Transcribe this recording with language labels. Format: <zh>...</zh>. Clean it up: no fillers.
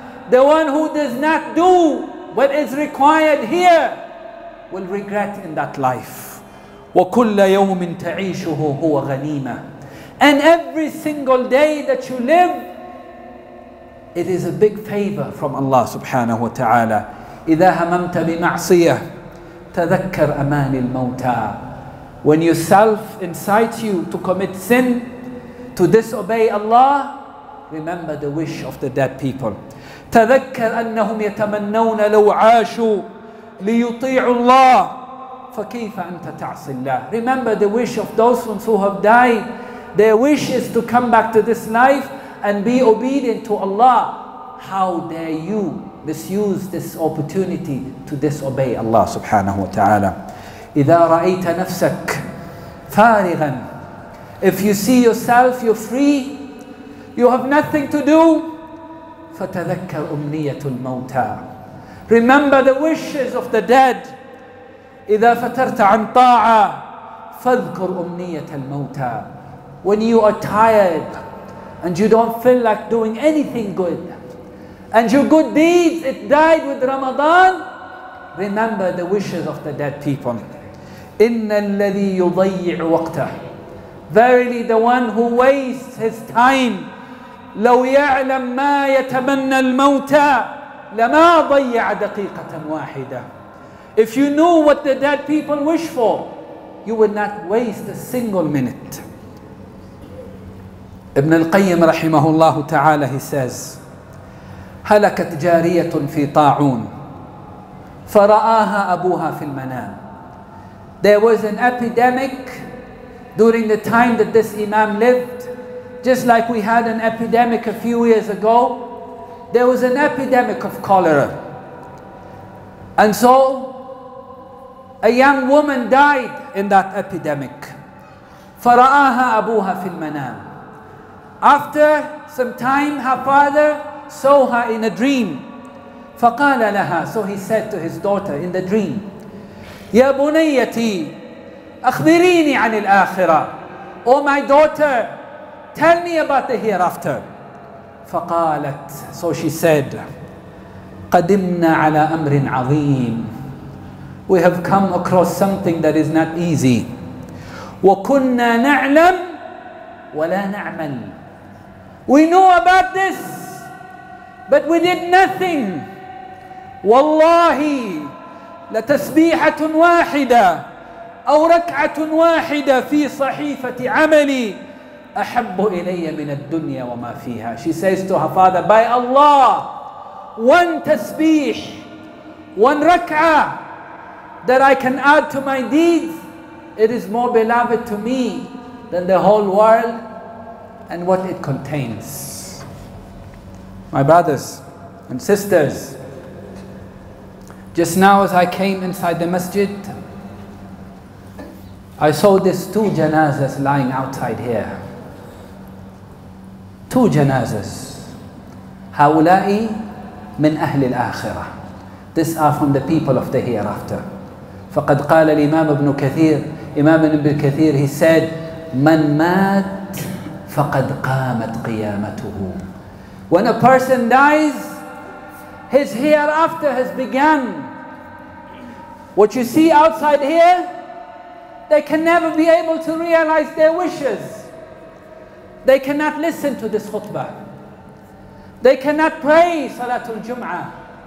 <en>The one who does not do what is required here will regret in that life.</en> <ar>وكل يوم تعيشه هو غنيمة.</ar> <en>And every single day that you live, it is a big favor from Allah subhanahu wa ta'ala.</en> <ar>إذا هممت بمعصية تذكر أمان الموتى.</ar> <en>When yourself incites you to commit sin, to disobey Allah, remember the wish of the dead people.</en> <ar>تذكر أنهم يتمنون لو عاشوا ليطيعوا الله فكيف أنت تعصي الله.</ar> <en>Remember the wish of those ones who have died. Their wish is to come back to this life and be obedient to Allah. How dare you misuse this opportunity to disobey Allah subhanahu wa ta'ala.</en> <ar>إذا رأيت نفسك فارغا.</ar> <en>If you see yourself, you're free, you have nothing to do.</en> <ar>فتذكر أمنية الموتى.</ar> <en>Remember the wishes of the dead.</en> <ar>إذا فترت عن طاعة فاذكر أمنية الموتى.</ar> <en>When you are tired and you don't feel like doing anything good, and your good deeds, it died with Ramadan, remember the wishes of the dead people.</en> <ar>إِنَّ الَّذِي يُضَيِّعُ وَقْتَهُ.</ar> <en>Verily the one who wastes his time,</en> <ar>لَوْ يَعْلَمْ مَا يَتَمَنَّ الْمَوْتَى لَمَا ضَيَّعَ دَقِيقَةً وَاحِدَةً.</ar> <en>If you knew what the dead people wish for, you would not waste a single minute.</en> <ar>ابن القيم رحمه الله تعالى,</ar> <en>he says,</en> <ar>هلكت جارية في طاعون فرآها أبوها في المنام.</ar> <en>There was an epidemic during the time that this Imam lived, just like we had an epidemic a few years ago. There was an epidemic of cholera, and so a young woman died in that epidemic.</en> <ar>فرآها أبوها في المنام.</ar> <en>After some time, her father saw her in a dream.</en> <ar>فقال لها,</ar> <en>so he said to his daughter in the dream,</en> <ar>يا بنيتي أخبريني عن الآخرة.</ar> <en>Oh my daughter, tell me about the hereafter.</en> <ar>فقالت,</ar> <en>so she said,</en> <ar>قدمنا على أمر عظيم.</ar> <en>We have come across something that is not easy.</en> <ar>وكنا نعلم ولا نعمل.</ar> <en>We know about this, but we did nothing.</en> <ar>والله لتسبيحة واحدة أو ركعة واحدة في صحيفة عملي أحب إلي من الدنيا وما فيها.</ar> <en>She says to her father, by Allah, one تسبيح, one ركعة that I can add to my deeds, it is more beloved to me than the whole world and what it contains. My brothers and sisters, just now as I came inside the masjid, I saw these two janazas lying outside here. Two janazas.</en> <ar>هؤلاء من أهل الآخرة.</ar> <en>These are from the people of the hereafter.</en> <ar>فقد قال الإمام ابن كثير, إمام ابن كثير,</ar> <en>he said,</en> <ar>من مات فقد قامت قيامته.</ar> <en>When a person dies, his hereafter has begun. What you see outside here, they can never be able to realize their wishes. They cannot listen to this khutbah. They cannot pray Salatul Jum'ah.</en>